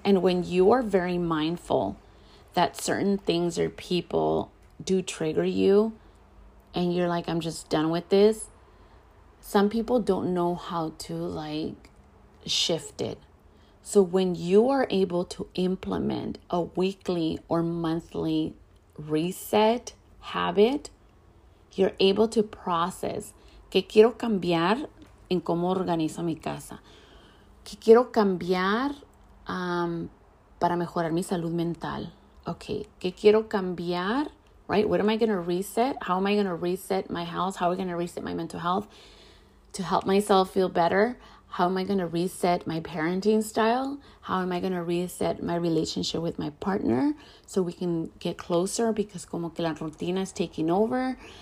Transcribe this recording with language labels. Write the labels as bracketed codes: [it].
[en] And when you are very mindful that certain things or people do trigger you, and you're like, I'm just done with this. Some people don't know how to shift it. So when you are able to implement a weekly or monthly reset habit, you're able to process. [es] ¿Qué quiero cambiar en cómo organizo mi casa? ¿Qué quiero cambiar para mejorar mi salud mental? [en] Okay, [es] ¿qué quiero cambiar? [en] Right, what am I going to reset? How am I going to reset my house? How am I going to reset my mental health to help myself feel better? How am I going to reset my parenting style? How am I going to reset my relationship with my partner so we can get closer, because [es] como que la rutina [en] is taking over?